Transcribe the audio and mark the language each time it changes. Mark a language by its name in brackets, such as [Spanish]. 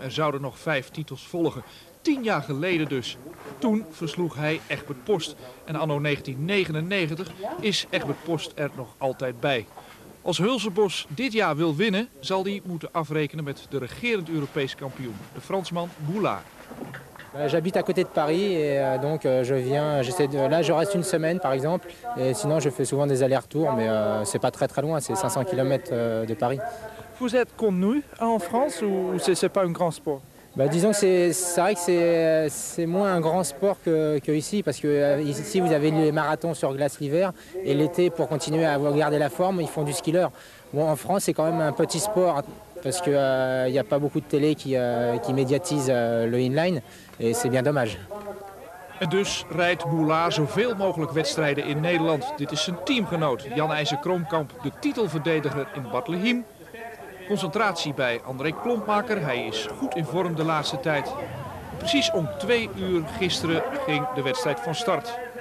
[Dutch] Er zouden nog 5 titels volgen. 10 jaar geleden dus. Toen versloeg hij Egbert Post. En anno 1999 is Egbert Post er nog altijd bij. Als Hulsebos dit jaar wil winnen, zal hij moeten afrekenen met de regerend Europees kampioen, de Fransman Boulard. [French] J'habite à côté de Paris et donc je viens, là je reste une semaine par exemple et sinon je fais souvent des allers-retours mais c'est pas très très loin, c'est 500 km de Paris. Vous êtes connu en France ou c'est pas un grand sport? Bah, disons que c'est vrai que c'est moins un grand sport que ici parce que ici vous avez les marathons sur glace l'hiver et l'été pour continuer à garder la forme ils font du skieur. Bon, en France c'est quand même un petit sport. Parce qu'il n'y a pas beaucoup de télé qui médiatise le inline. Et c'est bien dommage. [Dutch] En dus rijdt Boulard zoveel mogelijk wedstrijden in Nederland. Dit is zijn teamgenoot Jan-Ijzer Kromkamp, de titelverdediger in Bartlehiem. Concentratie bij André Klompmaker. Hij is goed in vorm de laatste tijd. Precies om 2 uur gisteren ging de wedstrijd van start.